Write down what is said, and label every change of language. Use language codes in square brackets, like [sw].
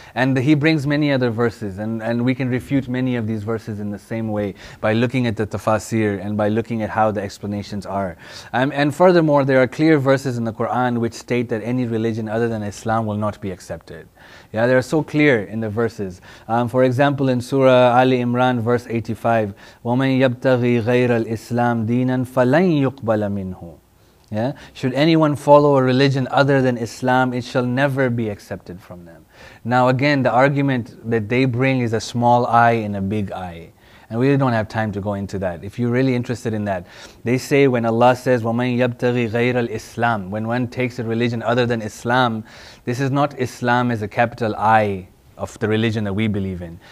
[en] And he brings many other verses, and we can refute many of these verses in the same way by looking at the tafasir and by looking at how the explanations are. And furthermore, there are clear verses in the Quran which state that any religion other than Islam will not be accepted. Yeah, they are so clear in the verses. For example, in Surah Ali Imran, verse 85, [ar] وَمَنْ يَبْتَغِي غَيْرَ الْإِسْلَامِ دِينًا فَلَنْ يُقْبَلَ مِنْهُ. [en] Yeah? Should anyone follow a religion other than Islam, it shall never be accepted from them. Now again, the argument that they bring is a small I in a big I. And we don't have time to go into that. If you're really interested in that, they say when Allah says, [ar] وَمَنْ يَبْتَغِي غَيْرَ الْإِسْلَامِ, [en] when one takes a religion other than Islam, this is not Islam as a capital I of the religion that we believe in.